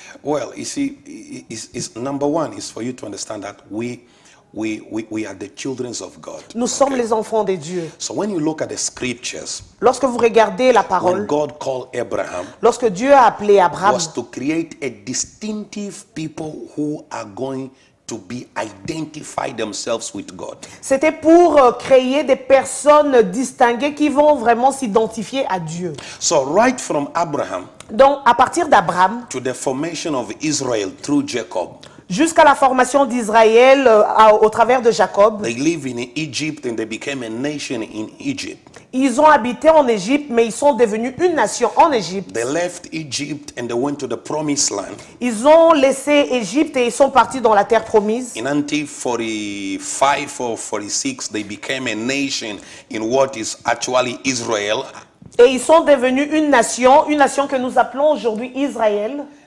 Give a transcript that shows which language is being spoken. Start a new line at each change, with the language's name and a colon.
English: Well, you see, it's number one is for you to understand that we are the children of God.
French: Nous okay? sommes les enfants de Dieu.
English: So when you look at the scriptures,
French: lorsque vous regardez la parole,
English: when God called Abraham,
French: lorsque Dieu a appelé Abraham,
English: was to create a distinctive people who are going to be identify themselves with God.
French: C'était pour créer des personnes distinguées qui vont vraiment s'identifier à Dieu.
English: So right from Abraham,
French: donc à partir d'Abraham,
English: to the formation of Israel through Jacob.
French: Jusqu'à la formation d'Israël au travers de Jacob.
English: They live in Egypt and they became a nation in Egypt.
French: Ils ont habité en Égypte, mais ils sont devenus une nation en Égypte.
English: They left Egypt and they went to the promised land.
French: Ils ont laissé Égypte et ils sont partis dans la terre promise.
English: In 45 or 46, they became a nation in what is actually Israel.
French: Et ils sont devenus une nation que nous appelons aujourd'hui Israël.